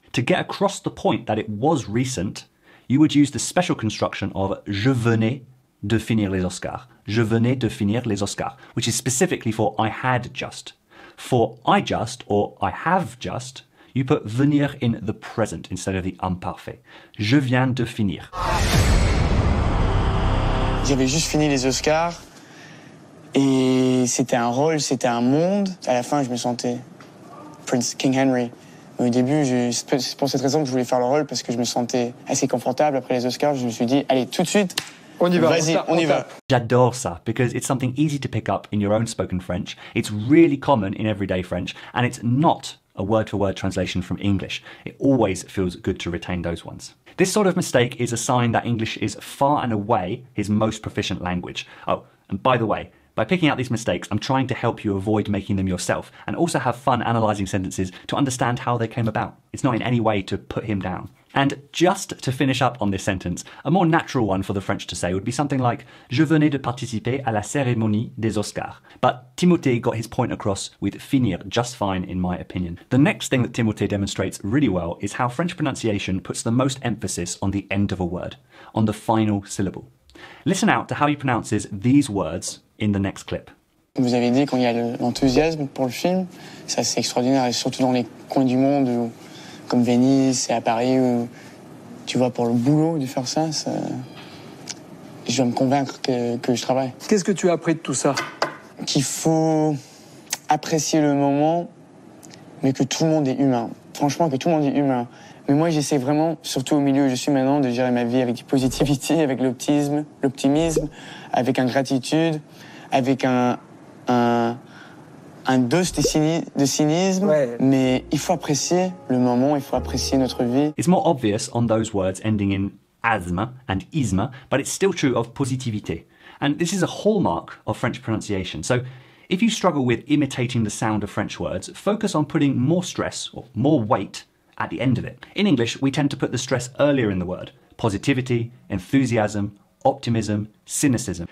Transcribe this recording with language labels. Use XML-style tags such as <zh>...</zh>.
<en>To get across the point that it was recent, you would use the special construction of</en> <fr>je venais de finir les Oscars. Je venais de finir les Oscars,</fr> <en>which is specifically for I had just. For I just or I have just, you put venir in the present instead of the imparfait.</en> <fr>Je viens de finir. J'avais juste fini les Oscars et c'était un rôle, c'était un monde. À la fin, je me sentais Prince King Henry. Au début, c'est pour cette raison que je voulais faire le rôle, parce que je me sentais assez confortable après les Oscars. Je me suis dit, allez, tout de suite, on y va. Vas-y, on y va. J'adore ça,</fr> <en>because it's something easy to pick up in your own spoken French. It's really common in everyday French, and it's not a word-for-word translation from English. It always feels good to retain those ones. This sort of mistake is a sign that English is far and away his most proficient language. Oh, and by the way, by picking out these mistakes, I'm trying to help you avoid making them yourself and also have fun analysing sentences to understand how they came about. It's not in any way to put him down. And just to finish up on this sentence, a more natural one for the French to say would be something like</en> <fr>je venais de participer à la cérémonie des Oscars.</fr> <en>But Timothée got his point across with finir just fine, in my opinion. The next thing that Timothée demonstrates really well is how French pronunciation puts the most emphasis on the end of a word, on the final syllable. Listen out to how he pronounces these words in the next clip.</en> <fr>Vous avez dit qu'il y a l'enthousiasme pour le film, ça c'est extraordinaire, et surtout dans les coins du monde où, comme Venise et à Paris, où, tu vois, pour le boulot de faire ça, je dois me convaincre que je travaille. Qu'est-ce que tu as appris de tout ça? Qu'il faut apprécier le moment, mais que tout le monde est humain. Franchement, que tout le monde est humain. Mais moi, j'essaie vraiment, surtout au milieu où je suis maintenant, de gérer ma vie avec du positivité, avec l'optimisme, avec une gratitude, avec un dose de cynisme. Ouais. Mais il faut apprécier le moment, il faut apprécier notre vie.</fr> <en>It's more obvious on those words ending in asthme and isme, but it's still true of positivité. And this is a hallmark of French pronunciation. So if you struggle with imitating the sound of French words, focus on putting more stress or more weight at the end of it. In English, we tend to put the stress earlier in the word. Positivity, enthusiasm, optimism, cynicism.</en>